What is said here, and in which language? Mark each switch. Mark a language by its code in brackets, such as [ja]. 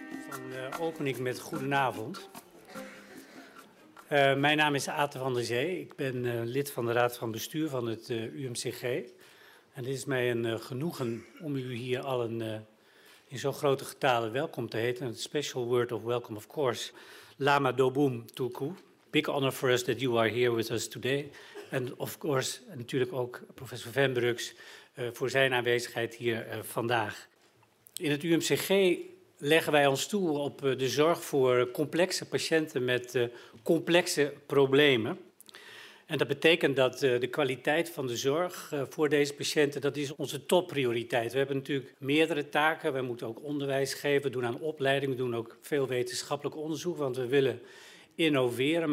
[nl] Dan open ik met goedenavond. Mijn naam is Aten van der Zee. Ik ben lid van de Raad van Bestuur van het UMCG. En het is mij een genoegen om u hier allen in zo'n grote getale welkom te heten. [en] Een special word of welcome, of course. Lama Dobum Tulku. Big honor for us that you are here with us today. And of course, [nl] natuurlijk ook professor Venbrugs voor zijn aanwezigheid hier vandaag. In het UMCG leggen wij ons toe op de zorg voor complexe patiënten met complexe problemen. En dat betekent dat de kwaliteit van de zorg voor deze patiënten, dat is onze topprioriteit. We hebben natuurlijk meerdere taken. We moeten ook onderwijs geven, doen aan opleiding, doen ook veel wetenschappelijk onderzoek, want we willen innoveren.